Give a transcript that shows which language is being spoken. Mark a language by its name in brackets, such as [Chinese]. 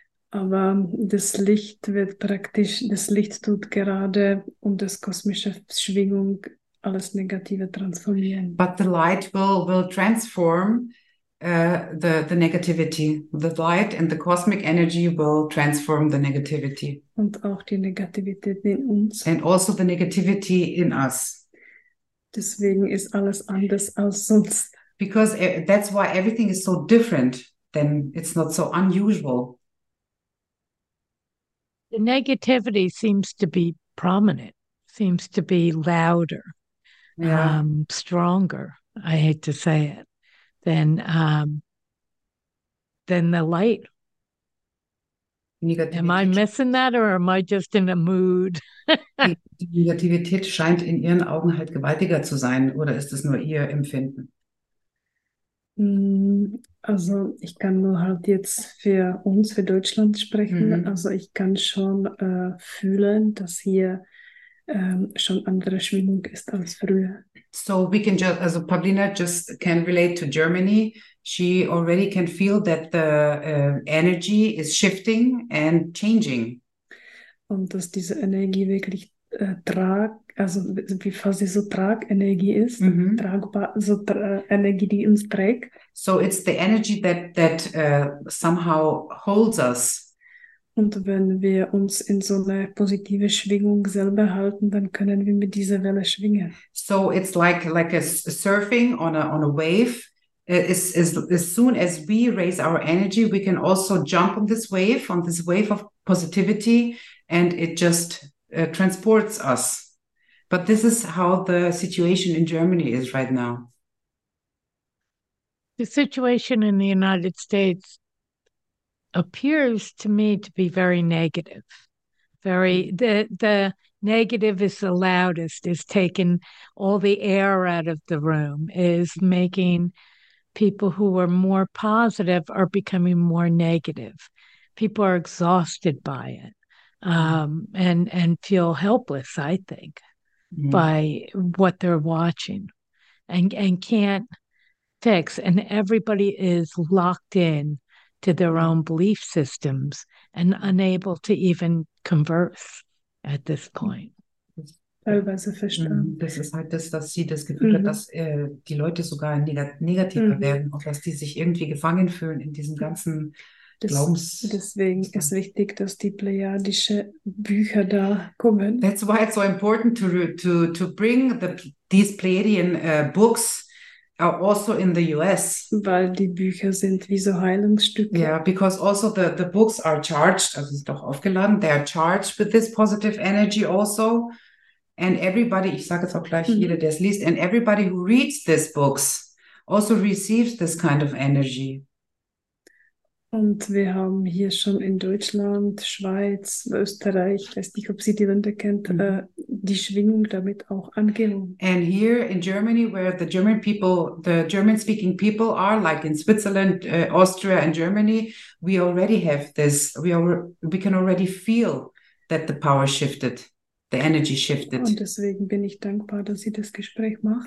[German] Aber das Licht wird praktisch, das Licht tut gerade um das kosmische Schwingung alles Negative transformieren. [English] But the light will transform the negativity. The light and the cosmic energy will transform the negativity. [German] Und auch die Negativität in uns. [English] And also the negativity in us. [German] Deswegen ist alles anders als sonst. [English] Because that's why everything is so different, then it's not so unusual. The negativity seems to be prominent, seems to be louder, yeah. Stronger, I hate to say it, than the light. Am I missing that or am I just in a mood? [German] Die Negativität scheint in ihren Augen halt gewaltiger zu sein, oder ist es nur ihr Empfinden? Also ich kann nur halt jetzt für uns, für Deutschland sprechen. Mhm. Also ich kann schon fühlen, dass hier schon andere Schwingung ist als früher. [English] So we can just, also Pavlina just can relate to Germany. She already can feel that the energy is shifting and changing. [German] Und dass diese Energie wirklich wie quasi so Tragenergie ist, mm-hmm. Energie, die uns trägt. [English] So it's the energy that somehow holds us. [German] Und wenn wir uns in so eine positive Schwingung selber halten, dann können wir mit dieser Welle schwingen. [English] So it's like a surfing on a wave. As soon as we raise our energy, we can also jump on this wave of positivity, and it just transports us. But this is how the situation in Germany is right now. The situation in the United States appears to me to be very negative. Very the negative is the loudest, is taking all the air out of the room, is making people who are more positive are becoming more negative. People are exhausted by it. and feel helpless, I think, by what they're watching and can't fix. And everybody is locked in to their own belief systems and unable to even converse at this point. [German] Das ist halt das, dass sie das Gefühl hat, dass die Leute sogar negativer werden und dass die sich irgendwie gefangen fühlen in diesem ganzen Glaubens. Deswegen ist wichtig, dass die pleiadische Bücher da kommen. [English] That's why it's so important to bring these Pleiadian books also in the US. [German] Weil die Bücher sind wie so Heilungsstücke. [English] Yeah, because also the books are charged, [German] also ist doch aufgeladen, [English] they are charged with this positive energy also. And everybody, [German] ich sage jetzt auch gleich, jeder, der es liest, [English] and everybody who reads these books also receives this kind of energy. [German] Und wir haben hier schon in Deutschland, Schweiz, Österreich, weiß nicht, ob Sie die Länder kennt, die Schwingung damit auch angehoben. [English] And here in Germany, where the German people, the German-speaking people are, like in Switzerland, Austria and Germany, we already have this, we can already feel that the power shifted. The energy shifted. [German] Und deswegen bin ich dankbar, dass sie das Gespräch macht.